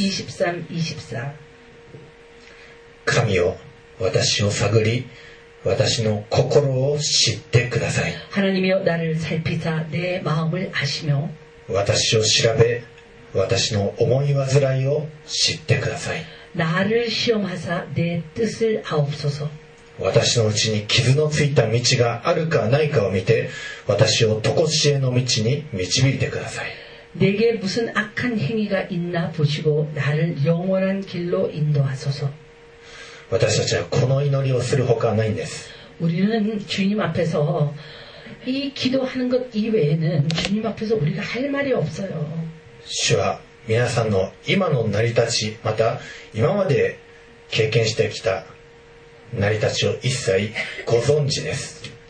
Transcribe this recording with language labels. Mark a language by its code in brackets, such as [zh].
[ja] 23、23。神よ私を探り私の心を知ってください。 [ko] 하나님이여나를살피사내마음을아시며 [ja] 私を調べ私の思い煩いを知ってください。 [ko] 나를시험하사내뜻을아옵소서 [ja] 私のうちに傷のついた道があるかないかを見て私を常しえの道に導いてください。 [ko] 내게무슨악한행위가있나보시고나를영원한길로인도하소서 [ja] 私たちはこの祈りをするほかないんです。 [ko] 우리는주님앞에서이기도하는것이외에는주님앞에서우리가할말이없어요 [ja] 主は皆さんの今の成り立ちまた今まで経験してきた成り立ちを一切ご存知です。